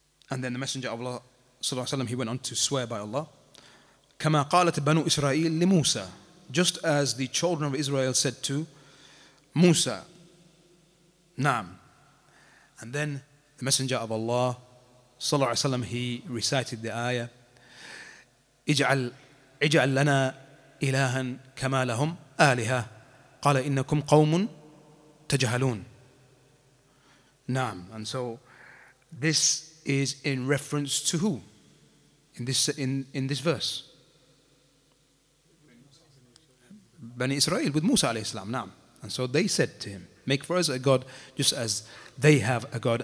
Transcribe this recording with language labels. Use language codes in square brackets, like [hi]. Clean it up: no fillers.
[en] And then the Messenger of Allah, صلى الله عليه وسلم, he went on to swear by Allah. [ar] كَمَا قَالَتْ بَنُوا إِسْرَائِيلِ لِمُوسَى. [en] Just as the children of Israel said to Musa. Naam. And then the Messenger of Allah, صلى الله عليه وسلم, he recited the ayah, [ar] اجعل لنا إلها كما لهم آلهة, قال إنكم قوم تجهلون. نعم. [en] And so this is in reference to who? In this verse. Bani Israel with Musa alayhi salam. [ar] نعم. [en] And so they said to him, make for us a God just as they have a God.